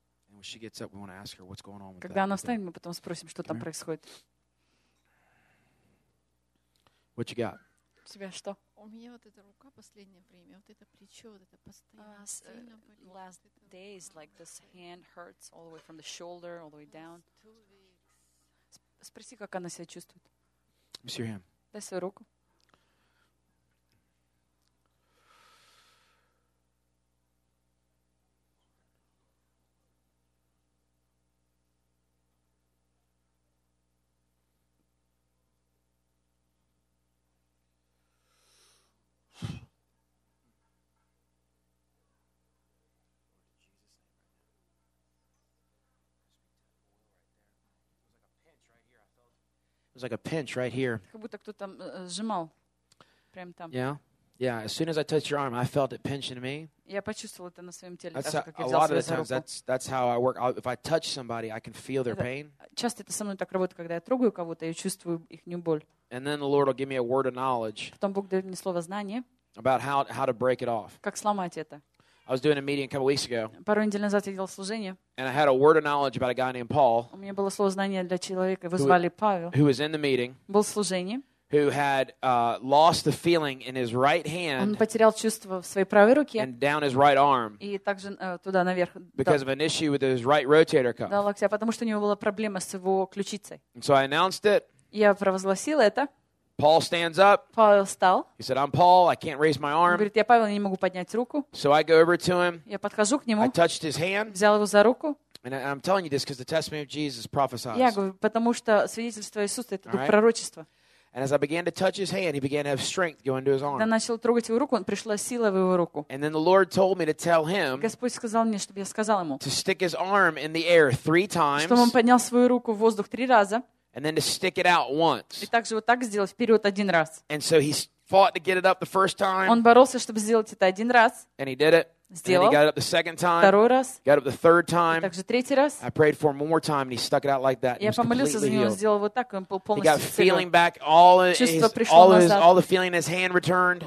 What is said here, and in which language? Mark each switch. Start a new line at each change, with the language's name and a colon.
English: When she gets up, we want to ask her what's going on with
Russian: Когда она встанет, мы потом спросим, что там происходит.
English: What you got?
Russian: У тебя что? У меня вот эта рука последнее время, вот это плечо, вот это постоянно сильно болит.
English: Last days, like this hand hurts all the way from the shoulder all the way down.
Russian: Спроси, как она себя чувствует.
English: Miss your hand.
Russian: Дай свою руку.
English: It was like a pinch right here.
Russian: Как будто кто там сжимал прямо там.
English: Yeah. Yeah, as soon as I touched your arm, I felt it pinching me.
Russian: Я почувствовал это на своём теле, даже как я взял себя за руку.
English: That's that's how I work. If I touch somebody, I can feel their pain.
Russian: Часто это со мной так работает, когда я трогаю кого-то, я чувствую их боль.
English: And then the Lord will give me a word of knowledge.
Russian: Потом Бог даёт мне слово знания.
English: About how to break it off.
Russian: Как сломать это?
English: I was doing a meeting a couple weeks ago.
Russian: Пару недель назад я делал служение.
English: And I had a word of knowledge about a guy named Paul.
Russian: У меня было слово знания для человека, его звали Павел.
English: Who was in the meeting?
Russian: Был в служении.
English: Who had lost the feeling in his right hand?
Russian: Он потерял чувство в своей правой руке.
English: And down his right arm.
Russian: И также туда наверх.
English: Because of an issue with his right rotator cuff.
Russian: Да, локтя, потому что у него была проблема с его ключицей.
English: And so I announced it.
Russian: Я провозгласил это.
English: Paul stands up.
Russian: Павел встал.
English: He said, "I'm Paul. I can't raise my arm."
Russian: Он говорит, я Павел, я не могу поднять руку.
English: So I go over to him.
Russian: Я подхожу к нему.
English: I touched his hand.
Russian: Взял его за руку.
English: And I'm telling you this because the testimony of Jesus prophesies.
Russian: Я говорю, потому что свидетельство Иисуса это дух пророчества.
English: And as I began to touch his hand, he began to have strength going to his arm.
Russian: Когда начал трогать его руку, он пришла сила в его руку.
English: And then the Lord told me to tell him.
Russian: Господь сказал мне, чтобы я сказал ему.
English: To stick his arm in the air three times.
Russian: Чтобы он поднял свою руку в воздух три раза.
English: And then to stick it out once.
Russian: И также вот так сделать вперед один раз.
English: And so he fought to get it up the first time.
Russian: Он боролся, чтобы сделать это один раз.
English: And he did it.
Russian: Сделал.
English: And he got it up the second time.
Russian: Второй раз.
English: Got up the third time.
Russian: И также третий раз.
English: I prayed for him one more time, and he stuck it out like that.
Russian: Я помолился за него, сделал вот так, и он был полностью
English: healed. He got feeling back, all all the feeling in his hand returned.